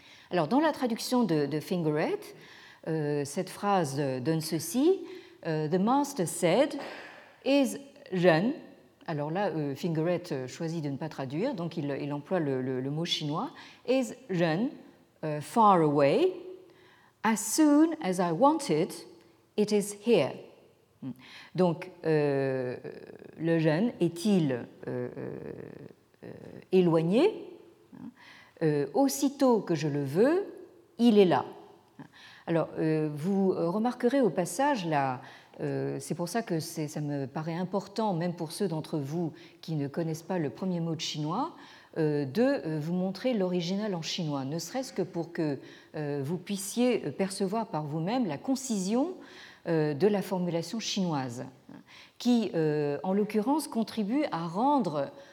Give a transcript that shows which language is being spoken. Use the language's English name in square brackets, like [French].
[French] Alors dans la traduction de Fingeret, cette phrase donne ceci: [English] The master said, "Is ren." [French] Alors là, Fingeret choisit de ne pas traduire, donc il emploie le mot chinois. [English] Is ren far away? As soon as I want it, it is here. [French] Donc, le ren est-il éloigné? Aussitôt que je le veux, il est là. Alors, vous remarquerez au passage là. C'est pour ça que ça me paraît important, même pour ceux d'entre vous qui ne connaissent pas le premier mot de chinois, de vous montrer l'original en chinois, ne serait-ce que pour que vous puissiez percevoir par vous-même la concision de la formulation chinoise, qui, en l'occurrence, contribue à rendre